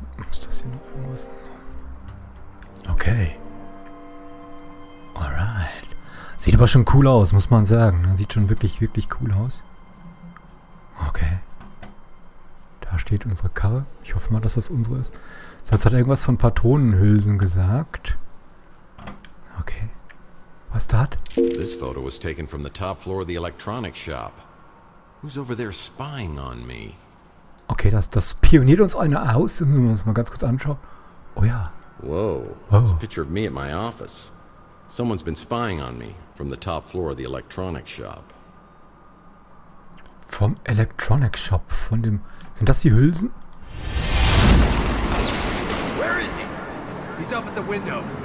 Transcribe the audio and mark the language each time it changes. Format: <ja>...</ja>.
<de>Ist das hier noch irgendwas? Okay. Alright. Sieht aber schon cool aus, muss man sagen. Sieht schon wirklich, wirklich cool aus. Okay. Da steht unsere Karre. Ich hoffe mal, dass das unsere ist. So, jetzt hat er irgendwas von Patronenhülsen gesagt. Okay. Was das?</de> <en>This photo was taken from the top floor of the electronics shop. Who's over there spying on me?</en> <de>Okay, das spioniert uns einer aus. Müssen wir uns mal ganz kurz anschauen. Oh ja. Whoa.</de> <en>It's a picture of me at my office. Someone's been spying on me from the top floor of the electronics shop.</en> <de>Vom Electronic Shop, von dem... Sind das die Hülsen?</de> <en>Where is he? He's up at the window.</en>